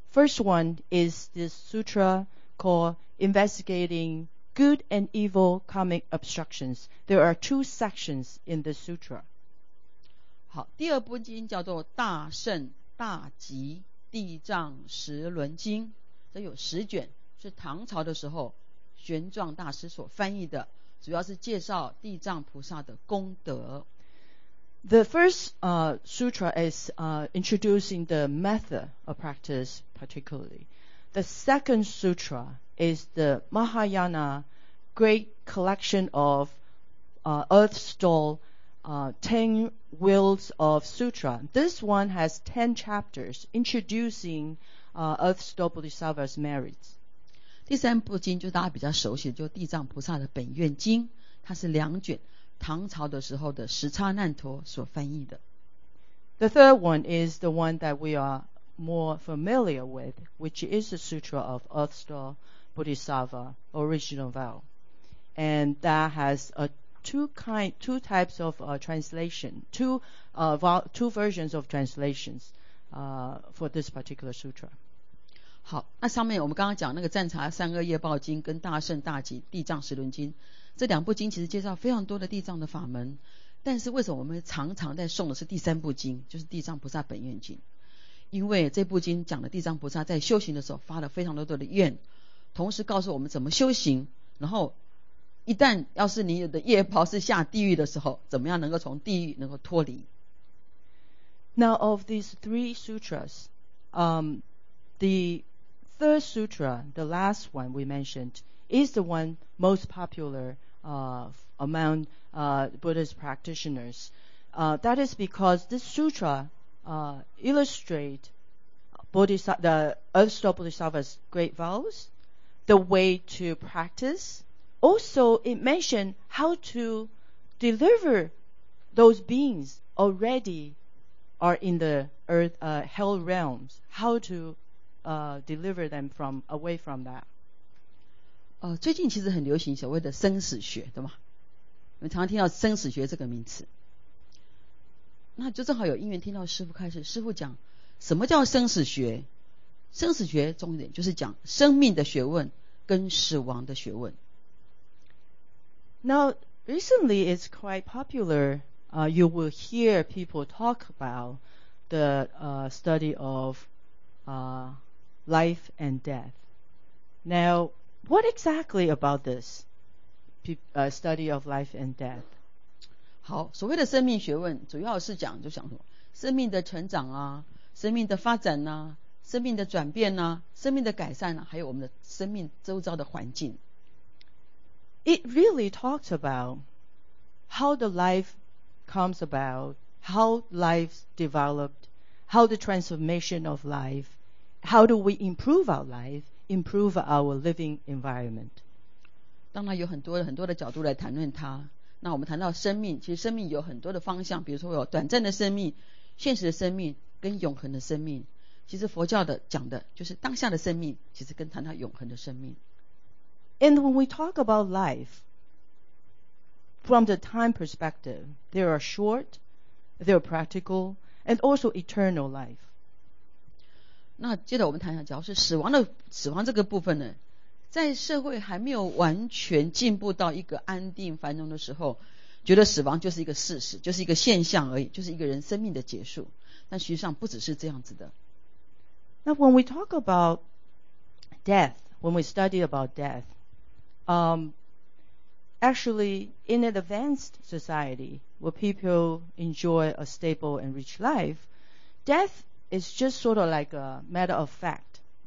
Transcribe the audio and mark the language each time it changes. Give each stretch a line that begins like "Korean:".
English: First one is this sutra called Investigating Good and Evil Karmic Obstructions. There are two sections in this sutra.
Chinese: 好，第二部经叫做大圣大吉地藏十轮经，这有十卷，是唐朝的时候玄奘大师所翻译的，主要是介绍地藏菩萨的功德。
English: The first sutra is introducing the method of practice particularly. The second sutra is the Mahayana Great Collection of Earth Store Ten Wheels of Sutra. This one has 10 chapters introducing Earth Store Bodhisattva's merits.
Chinese: 第三部经就大家比较熟悉的，就地藏菩萨的本愿经，它是两卷，唐朝的时候的十刹难陀所翻译的。
English: The third one is the one that we are more familiar with, which is the Sutra of Earth Store Bodhisattva Original Vow, and that has two versions of translations for this particular sutra.
Chinese: 好，那上面我们刚刚讲那个赞察善恶业报经跟大圣大吉地藏十轮经，这两部经其实介绍非常多的地藏的法门，但是为什么我们常常在诵的是第三部经，就是地藏菩萨本愿经？因为这部经讲的地藏菩萨在修行的时候发了非常多的愿，同时告诉我们怎么修行，然后一旦要是你的业报是下地狱的时候，怎么样能够从地狱能够脱离。
English: Now of these three sutras, the third sutra, the last one we mentioned, is the one most popular among Buddhist practitioners. That is because this sutra illustrates the Earth Store Bodhisattva's great vows, the way to practice. Also, it mentioned how to deliver those beings already are in the earth, hell realms, how to deliver them from away from that.
Chinese: 最近其实很流行所谓的生死学，对吗？我们常听到生死学这个名词。那就正好有因缘听到师父开始，师父讲什么叫生死学，生死学重点就是讲生命的学问跟死亡的学问。
English: Now recently it's quite popular、you will hear people talk about the、study of、life and death. Now what exactly about this、study of life and death?
Chinese: 好，所谓的生命学问主要是讲就讲什么生命的成长啊，生命的发展啊，生命的转变啊，生命的改善啊，还有我们的生命周遭的环境。
English: It really talks about how the life comes about, how life developed, how the transformation of life, how do we improve our life, improve our living environment.
Chinese: 当然有很多很多的角度来谈论它。那我们谈到生命，其实生命有很多的方向，比如说有短暂的生命、现实的生命跟永恒的生命。其实佛教的讲的就是当下的生命，其实跟谈到永恒的生命。
English: And when we talk about life, from the time perspective, there are short, there are practical, and also eternal life.
Chinese: 那接着我们谈一下，假如是死亡的死亡这个部分呢，在社会还没有完全进步到一个安定繁荣的时候，觉得死亡就是一个事实，就是一个现象而已，就是一个人生命的结束。但实际上不只是这样子的。
English: Now when we talk about death, when we study about death, actually in an advanced society where people enjoy a stable and rich life, death is just sort of like a matter of fact.